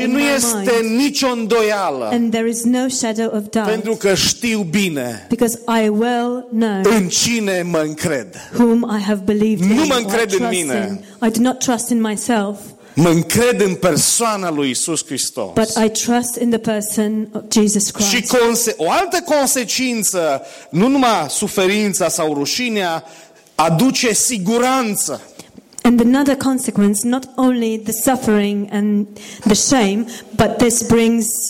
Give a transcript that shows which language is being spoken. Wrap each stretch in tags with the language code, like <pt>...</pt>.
<ro>Și nu este nicio îndoială.</ro> <en>And there is no shadow of doubt.</en> <ro>Pentru că știu bine.</ro> <en>Because I well know.</en> <ro>În cine mă încred?</ro> <en>Whom I have believed.</en> <ro>Nu mă încred în mine.</ro> <en>I do not trust in myself.</en> <ro>Mă încred în persoana lui Iisus Hristos.</ro> <en>But I trust in the person of Jesus Christ.</en> <ro>Și o altă consecință, nu numai suferința sau rușinea, aduce siguranță.</ro> <en>And another consequence, not only the suffering and the shame, but this brings</en>